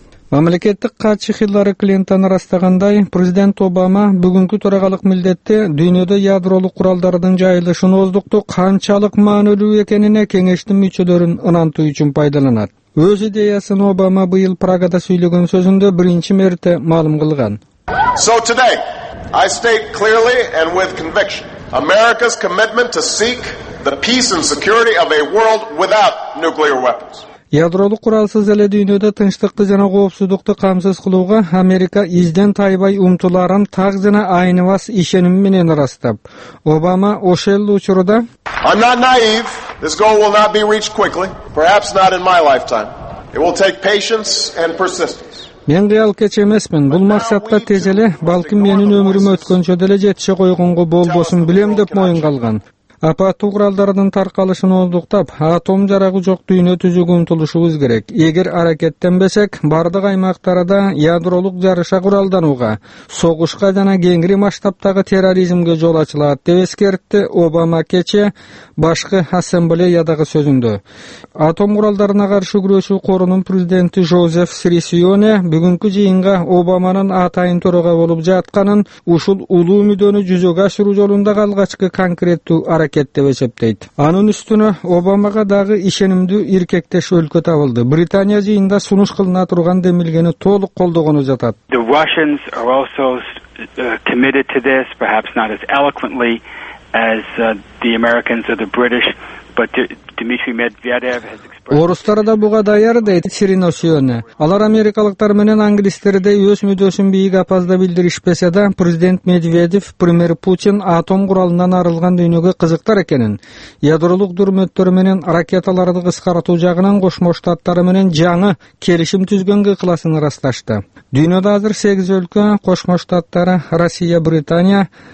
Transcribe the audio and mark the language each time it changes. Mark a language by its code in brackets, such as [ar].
[ky] Мамлекеттик катчы Хиллари Клинтон ырастагандай, президент Обама бүгүнкү төрагалык милдетте дүйнөдө ядролук куралдардын жайылышын оздуктук канчалык маанилүү экенине кеңештин мүчөлөрүн ынантуу үчүн пайдаланат. Өз идеясын Обама быйыл Прагада сүйлөгөн сөзүндө биринчи мерте маалым кылган. [en] So today, I state clearly and with conviction, America's commitment to seek the peace and security of a world without nuclear weapons. [ky] Ядролук куралсыз эле дүйнөдө тынчтыкты жана коопсуздукту камсыз кылууга Америка изден тайбай умтуларын так жана айнывас ишеним менен ырастап. Обама ошол эле учурда [en] I'm not naive. This goal will not be reached quickly, perhaps not in my lifetime. It will take patience and persistence. [ky] Мен кыял кеч эмесмин, бул максатка тез эле, балким менин өмүрүм өткөнчө деле жетише койгонго болбосун билем деп моюн калган. Апаттуу куралдардын таркалышын оздуктап, атом жарагы жок дүйнө түзүүгө умтулушубуз керек. Эгер аракеттенбесек, бардык аймактарда ядролук жарыша куралданууга, согушка жана кеңири масштабтагы терроризмге жол ачылат деп эскертти Обама кече башкы ассамблеядагы сөзүндө. Атом куралдарына каршы күрөшүү корунун президенти Жозеф Срисионе бүгүнкү жыйынга Обаманын атайын төрага болуп жатканын ушул улуу мүдөнү жүзөгө ашыруу жолунда алгачкы конкреттүү аракет деп эсептейт. Анын үстүнө Обамага дагы ишенимдүү иркектеш өлкө табылды. Британия жыйында сунуш кылына турган демилгени толук колдогону жатат. [en] The Russians are also committed to this, perhaps not as eloquently as the Americans or the British, but Дмитрий Медведев has [ky] Орустар да буга даяр, дейт Сириносиони. Алар америкалыктар менен англистердей өз мүдөсүн бийик апазда билдиришпесе да, президент Медведев, премьер Путин атом куралынан арылган дүйнөгө кызыктар экенин, ядролук дүрмөттөр менен ракеталарды кыскартуу жагынан Кошмо Штаттары менен жаңы келишим түзгөнгө ыкласын ырасташты. Дүйнөдө азыр 8 өлкө, Кошмо Штаттары, Россия, Британия,